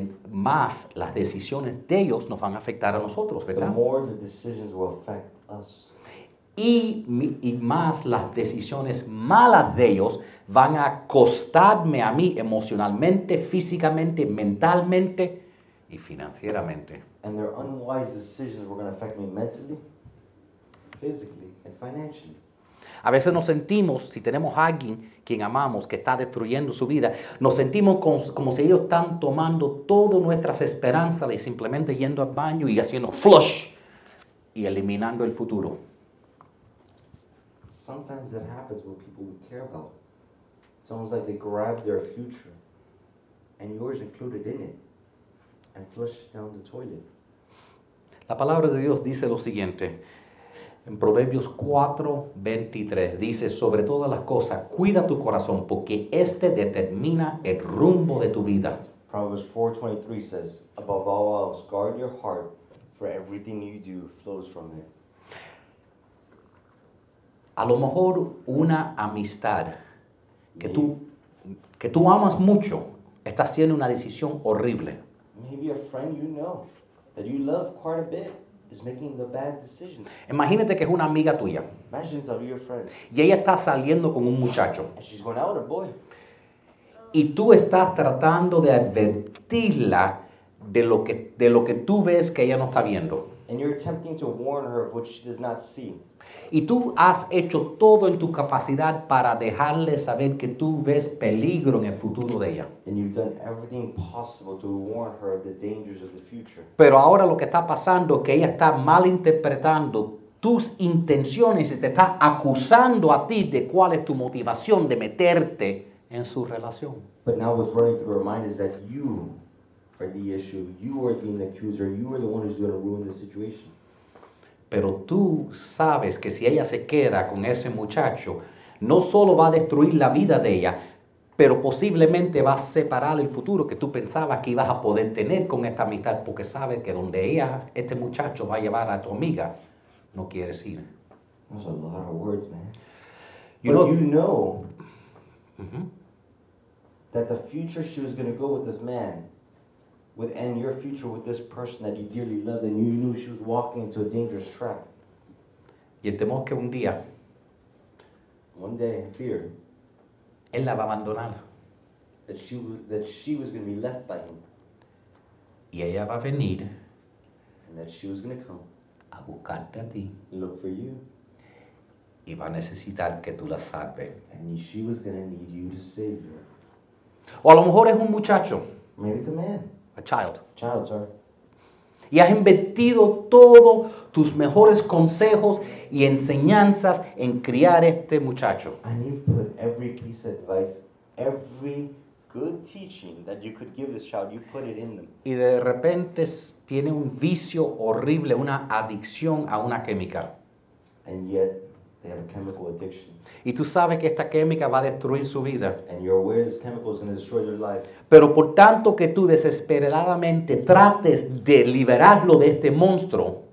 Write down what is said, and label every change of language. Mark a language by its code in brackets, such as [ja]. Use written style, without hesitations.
[es] más las decisiones de ellos nos van a afectar a nosotros, ¿verdad? [en] The more the decisions will affect us. [es] y más las decisiones malas de ellos van a costarme a mí emocionalmente, físicamente, mentalmente y financieramente. [en] And their unwise decisions were going to affect me mentally, physically, and financially. [es] A veces nos sentimos, si tenemos a alguien quien amamos que está destruyendo su vida, nos sentimos como si ellos están tomando todas nuestras esperanzas y simplemente yendo al baño y haciendo flush y eliminando el futuro. [en] Sometimes that happens with people we care about. It's almost like they grab their future and yours included in it and flush it down the toilet. [es] La palabra de Dios dice lo siguiente. En Proverbios 4:23 dice, sobre todas las cosas, cuida tu corazón, porque este determina el rumbo de tu vida. [en] Proverbs 4:23 says, above all else, guard your heart, for everything you do flows from it. [es] A lo mejor una amistad que tú amas mucho está haciendo una decisión horrible. [en] Maybe a friend you know that you love quite a bit is making the bad decisions. [es] Imagínate que es una amiga tuya. [en] Imagine it's a real friend. [es] Y ella está saliendo con un muchacho. [en] And she's going out with a boy. [es] Y tú estás tratando de advertirla de lo que tú ves que ella no está viendo. [en] And you're attempting to warn her of what she does not see. [es] Y tú has hecho todo en tu capacidad para dejarle saber que tú ves peligro en el futuro de ella. [en] And you've done everything possible to warn her of the dangers of the future. [es] Pero ahora lo que está pasando es que ella está malinterpretando tus intenciones y te está acusando a ti de cuál es tu motivación de meterte en su relación. [en] But now what's running through her mind is that you are the issue. You are being the accuser. You are the one who's going to ruin the situation. [es] Pero tú sabes que si ella se queda con ese muchacho, no solo va a destruir la vida de ella, pero posiblemente va a separar el futuro que tú pensabas que ibas a poder tener con esta amistad, porque sabes que donde ella, este muchacho, va a llevar a tu amiga, no quieres ir. [en] That's a lot of words, man. You know mm-hmm. that the future she was going to go with this man would end your future with this person that you dearly loved and you knew she was walking into a dangerous trap. [es] Y el temor que un día, [en] one day, in fear, [es] él la va a abandonar. [en] That she was going to be left by him. [es] Y ella va a venir, [en] and that she was going to come, [es] a buscarte a ti, [en] look for you, [es] y va a necesitar que tú la salves. [en] And she was going to need you to save her. [es] O a lo mejor es un muchacho. [en] Maybe it's a man. A child. Child, sir. [es] Y has invertido todo tus mejores consejos y enseñanzas en criar este muchacho. [en] And you've put every piece of advice, every good teaching that you could give this child, you put it in them. [es] Y de repente tiene un vicio horrible, una adicción a una química. [en] And yet they have a chemical addiction. [es] Y tú sabes que esta química va a destruir su vida. [en] And you're aware this chemical is going to destroy your life. [es] Pero por tanto que tú desesperadamente trates de liberarlo de este monstruo,